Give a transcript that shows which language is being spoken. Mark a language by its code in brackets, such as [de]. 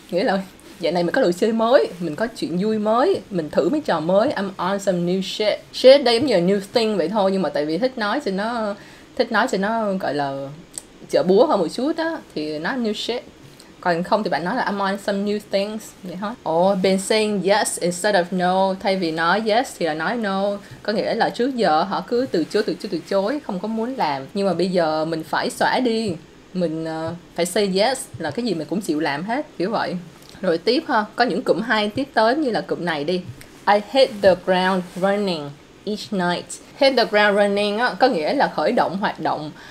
[vi] Nghĩa là dạo này mình có đồ chơi mới, mình có chuyện vui mới, mình thử mấy trò mới. [en] I'm on some new shit. [vi] Shit đây giống như là [en] new thing [vi] vậy thôi, nhưng mà tại vì thích nói cho nó gọi là chợ búa hơn một chút á, thì nó [en] new shit. [vi] Còn không thì bạn nói là [en] I'm on some new things [vi] vậy hả? [en] Been saying yes instead of no. [vi] Thay vì nói yes thì là nói no. Có nghĩa là trước giờ họ cứ từ chối, không có muốn làm. Nhưng mà bây giờ mình phải xóa đi, mình phải [en] say yes, [vi] là cái gì mình cũng chịu làm hết, kiểu vậy. Rồi tiếp ha, có những cụm hay tiếp tới như là cụm này đi. [en] I hit the ground running each night. Hit the ground running [vi] á, có nghĩa là khởi động hoạt động